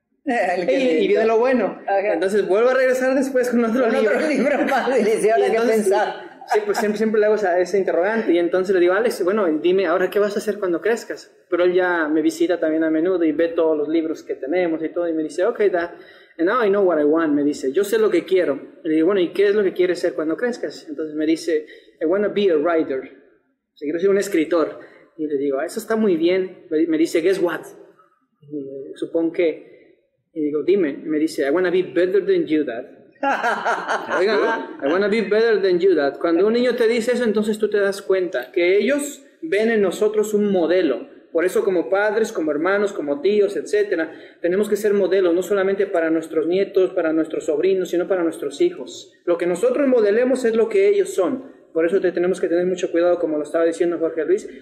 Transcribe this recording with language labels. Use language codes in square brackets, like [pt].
[es] Y viene lo bueno. Okay. Entonces vuelvo a regresar después con otro libro. Otro libro más delicioso que pensar. Sí, pues siempre le hago ese interrogante. Y entonces le digo: Alex, bueno, dime, ¿ahora qué vas a hacer cuando crezcas? Pero él ya me visita también a menudo y ve todos los libros que tenemos y todo. Y me dice: [en] okay, Dad, and now I know what I want. [es] Me dice: yo sé lo que quiero. Y le digo: bueno, ¿y qué es lo que quieres ser cuando crezcas? Entonces me dice: [en] I want to be a writer. [es] O sea, quiero ser un escritor. Y le digo: eso está muy bien. Me dice: [en] guess what? [es] Y supongo que. Y digo: dime. Y me dice: [en] I want to be better than you, Dad. [es] Oigan, [en] I want to be better than you, Dad. [es] Cuando un niño te dice eso, entonces tú te das cuenta que ellos ven en nosotros un modelo. Por eso, como padres, como hermanos, como tíos, etcétera, tenemos que ser modelos, no solamente para nuestros nietos, para nuestros sobrinos, sino para nuestros hijos. Lo que nosotros modelemos es lo que ellos son. Por eso tenemos que tener mucho cuidado, como lo estaba diciendo Jorge Luis.